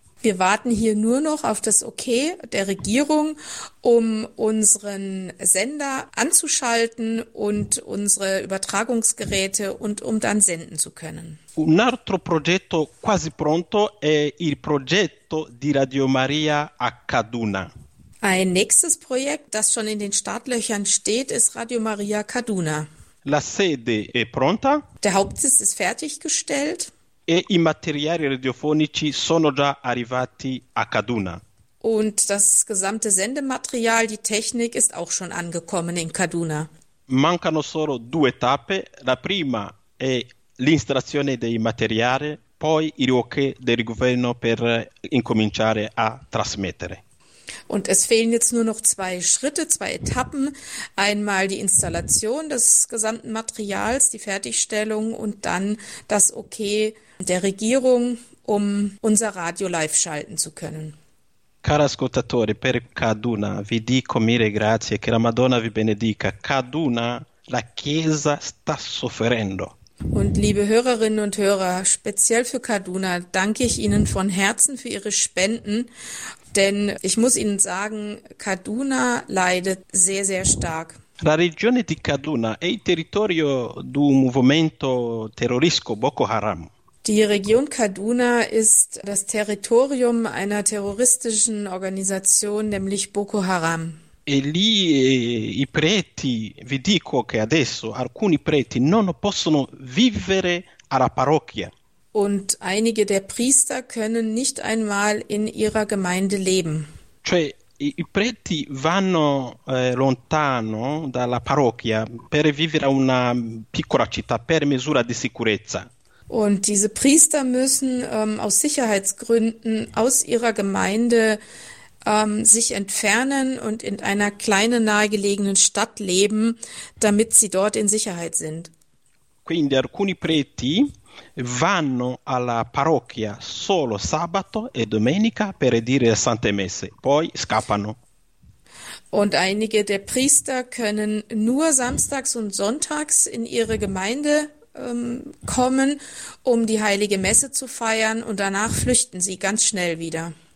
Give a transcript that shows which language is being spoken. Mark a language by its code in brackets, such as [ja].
[de] Wir warten hier nur noch auf das Okay der Regierung, um unseren Sender anzuschalten und unsere Übertragungsgeräte und um dann senden zu können. [it] Un altro progetto quasi pronto è il progetto di Radio Maria a Kaduna. [de] Ein nächstes Projekt, das schon in den Startlöchern steht, ist Radio Maria Kaduna. [it] La sede è pronta [de] Der Hauptsitz ist fertiggestellt. [it] e i materiali radiofonici sono già arrivati a Kaduna. [de] Und das gesamte Sendematerial, die Technik ist auch schon angekommen in Kaduna. [it] Mancano solo due tappe. La prima è l'installazione dei materiali, poi il ok del governo per incominciare a trasmettere. [de] Und es fehlen jetzt nur noch zwei Schritte, zwei Etappen. Einmal die Installation des gesamten Materials, die Fertigstellung und dann das Okay der Regierung, um unser Radio live schalten zu können. [it] Cari ascoltatori, per Kaduna vi dico mille grazie, che la Madonna vi benedica. Kaduna, la Chiesa sta soffrendo. [de] Und liebe Hörerinnen und Hörer, speziell für Kaduna, danke ich Ihnen von Herzen für Ihre Spenden. Denn ich muss Ihnen sagen, Kaduna leidet sehr, sehr stark. [it] La regione di Kaduna è il territorio di un movimento terroristico, Boko Haram. [de] Die Region Kaduna ist das Territorium einer terroristischen Organisation, nämlich Boko Haram. [it] E lì, i preti, vi dico che adesso alcuni preti non possono vivere alla parrocchia. [de] Und einige der Priester können nicht einmal in ihrer Gemeinde leben. [it] Cioè, i preti vanno lontano dalla parrocchia per vivere a una piccola città per misura di sicurezza. [de] Und diese Priester müssen aus Sicherheitsgründen aus ihrer Gemeinde sich entfernen und in einer kleinen nahegelegenen Stadt leben, damit sie dort in Sicherheit sind. [it] Quindi alcuni preti vanno alla parrocchia solo sabato e domenica per dire le sante messe, poi scappano. [de] Und einige der Priester können nur samstags und sonntags in ihre Gemeinde kommen, um die heilige Messe zu feiern und danach flüchten sie ganz schnell wieder.